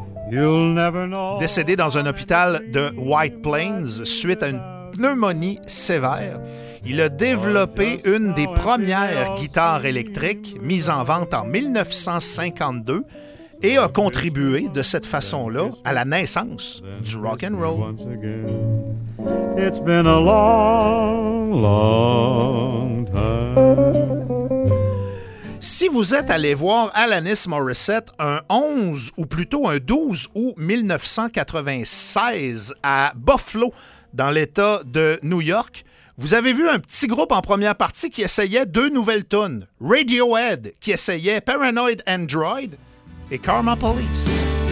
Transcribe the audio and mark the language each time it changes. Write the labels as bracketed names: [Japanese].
[English] You'll never know. [French] Décédé dans un hôpital de White Plains suite à une pneumonie sévère, il a développé une des premières guitares électriques mises en vente en 1952 et a contribué de cette façon-là à la naissance du rock and roll. [English] It's been a long, long time. [French] Si vous êtes allé voir Alanis Morissette un 11 ou plutôt un 12 août 1996 à Buffalo, dans l'État de New York, vous avez vu un petit groupe en première partie qui essayait deux nouvelles tunes, Radiohead qui essayait Paranoid Android et Karma Police.